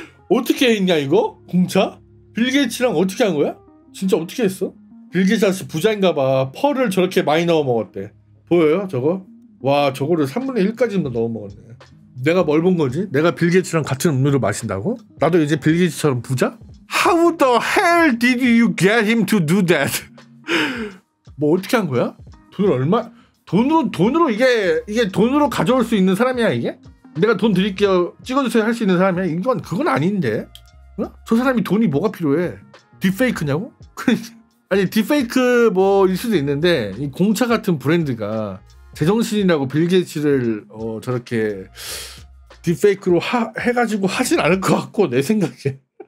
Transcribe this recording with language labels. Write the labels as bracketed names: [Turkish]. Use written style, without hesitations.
[Korean] 어떻게 했냐 이거? 공차? 빌 게이츠랑 어떻게 한 거야? 진짜 어떻게 했어? 빌 게이츠 아저씨 부자인가 봐. 펄을 저렇게 많이 넣어 먹었대. 보여요 저거? 와 저거를 3분의 1까지만 넣어 먹었네. 내가 뭘 본 거지? 내가 빌 게이츠랑 같은 음료를 마신다고? 나도 이제 빌 게이츠처럼 부자? [English] How the hell did you get him to do that? [Korean] 뭐 어떻게 한 거야? 돈을 얼마? 돈으로 이게 돈으로 가져올 수 있는 사람이야 이게? 내가 돈 드릴게요 찍어주세요 할 수 있는 사람이야? 이건 그건 아닌데? 어? 저 사람이 돈이 뭐가 필요해? 딥페이크냐고? 아니 딥페이크 뭐 일 수도 있는데 이 공차 같은 브랜드가 제정신이라고 빌 게이츠를 저렇게 딥페이크로 해가지고 하진 않을 것 같고 내 생각에.